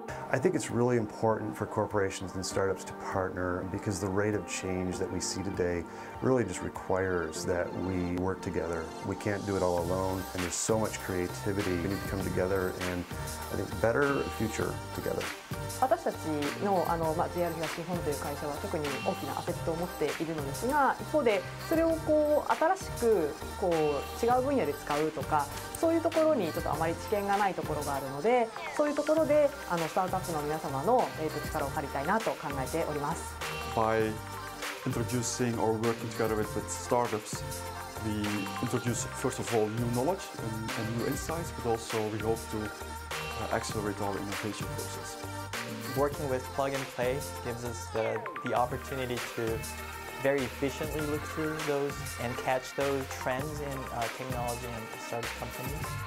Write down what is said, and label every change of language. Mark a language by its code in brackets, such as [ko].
[en] I think it's really important for corporations and startups to partner because the rate of change that we see today really just requires that we work together. We can't do it all alone, and there's so much creativity. We need to come together and I think better future together. [ja] 私たちの、あの、まあ、JR 東日本という会社は特に大きなアセットを持っているのですが、一方でそれをこう新しくこう違う分野で使うとか、そういうところにちょっとあまり知見がないところがあるので、そういうところで、あの、スタートアップの皆様の、力を借りたいなと考えております。 [en] By introducing or working together with startups, we introduce first of all new knowledge and new insights, but also we hope to accelerate our innovation process. Working with Plug and Play gives us the opportunity to very efficiently look through those and catch those trends in technology and startup companies.